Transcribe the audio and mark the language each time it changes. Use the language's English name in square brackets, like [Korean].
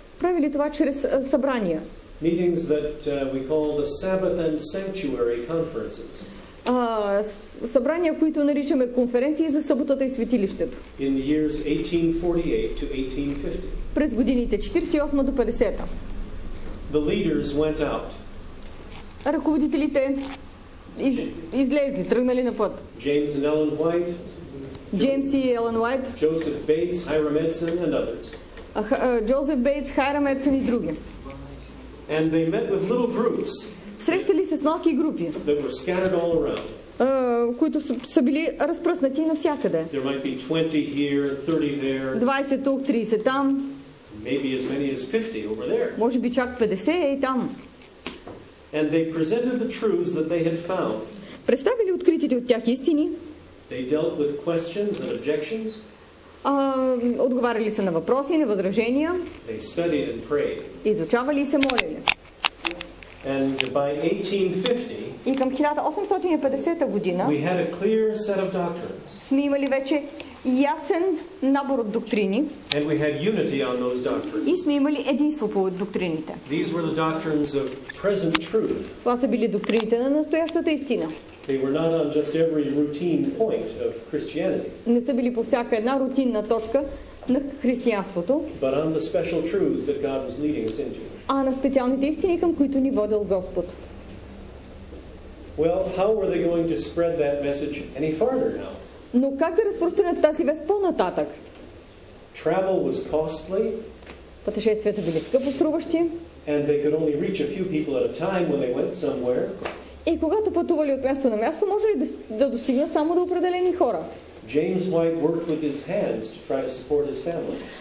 [Bulgarian] Правили това чрез събрания. [English] Meetings that we call the Sabbath and Sanctuary Conferences. [Bulgarian] Събрания, които наричаме конференции за съботата и светилището. [English] In the years 1848 to 1850. [Bulgarian] През годините 48 до 50-та. [English] The leaders went out. [Bulgarian] Ръководителите излезли, тръгнали на път. [English] James and Ellen White. [Bulgarian] James и Ellen White. [English] Joseph Bates, Hiram Edson and others. [Bulgarian] Joseph Bates, Hiram Edson и други. [English] And they met with little groups. [Bulgarian] Срещали се с малки групи. [English] They were scattered all around. [Bulgarian] Които са били разпръснати навсякъде. [English] There might be 20 here, 30 there. [Bulgarian] 20 тук, 30 там. [English] Maybe as many as 50 over there. [Bulgarian] Може би чак 50 е и там. [English] And they presented the truths that they had found. [Bulgarian] Представили откритите от тях истини. [English] They dealt with questions and objections. [Bulgarian] Отговаряли са на въпроси, на възражения. [English] They studied and prayed. [Bulgarian] Изучавали и се молили. [English] And by 1850, [Bulgarian] и към 1850 година, [English] we had a clear set of doctrines. [Bulgarian] Сме имали вече ясен набор от доктрини. [English] And we had unity on those doctrines. [Bulgarian] И сме имали единство по доктрините. [English] These were the doctrines of present truth. [Bulgarian] Това са били доктрините на настоящата истина. [English] They were not on just every routine point of Christianity. [Bulgarian] Не са били по всяка една рутинна точка на християнството. [English] But on the special truths that God was leading us into. [Bulgarian] А на специалните истини, към които ни водил Господ. [English] Well, how were they going to spread that message any farther now? [Bulgarian] Но как да разпространят тази вест по-нататък? [English] Travel was costly. [Bulgarian] Пътешествията били скъпоструващи. [English] And they could only reach a few people at a time when they went somewhere. [Bulgarian] И когато пътували от място на място, може ли да достигнат само до определени хора? [English] James White worked with his hands to try to support his family.